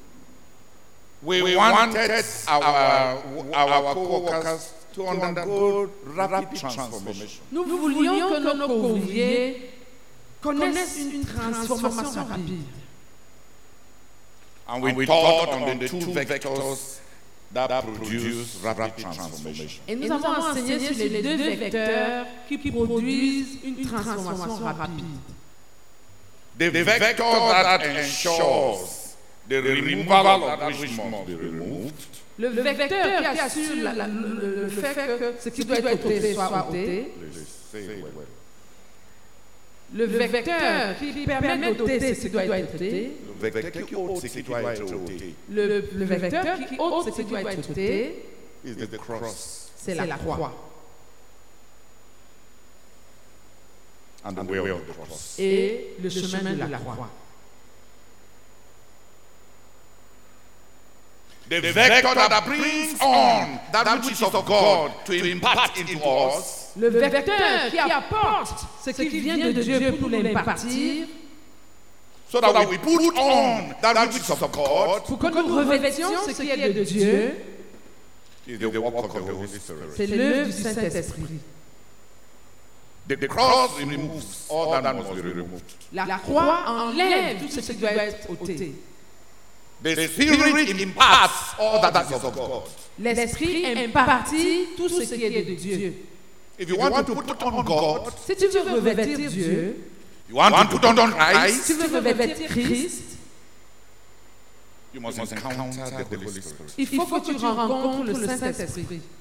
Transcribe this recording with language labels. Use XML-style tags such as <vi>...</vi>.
<en>dernière, we wanted our co-workers to undergo rapid transformation.</en> <fr>Nous voulions que nos ouvriers connaissent une transformation rapide.</fr> <en>And we thought on the two vectors that produce rapid transformation.</en> <fr>Et nous avons enseigné sur les deux vecteurs qui produisent une transformation rapide.</fr> <en>The vector that ensures the removal of wishes must be removed.</en> <fr>Le vecteur qui assure le fait que ce qui doit être ôté soit ôté. Le vecteur qui permet d'ôter ce qui doit être ôté. Le vecteur qui ôte ce qui doit être ôté. Le vecteur qui ôte ce qui doit être ôté.</fr> <en>Is the cross.</en> <fr>C'est la croix.</fr> <en>And the way of the cross.</en> <fr>Et le chemin de la croix.</fr> <en>The vector that brings on that which is of God to impart into us.</en> <fr>Le vecteur qui apporte ce qui vient de Dieu pour l'impartir.</fr> <en>So that we put on that which is of God.</en> <fr>Pour que nous revêtions ce qui est de Dieu.</fr> <en>Is the work of the Holy Spirit.</en> <fr>C'est l'œuvre du Saint-Esprit.</fr> <en>The cross removes all that must be removed.</en> <fr>La croix enlève tout ce qui doit être ôté.</fr> <en>The Spirit imparts all that is of God.</en> <fr>L'Esprit impartit tout ce qui est de Dieu.</fr> <en>If you want to put on God,</en> <fr>si tu veux revêtir Dieu,</fr> <en>you want to put on Christ,</en> <fr>si tu veux revêtir Christ,</fr> <en>you must encounter the Holy Spirit.</en> <fr>Il faut que tu rencontres le Saint-Esprit.</fr>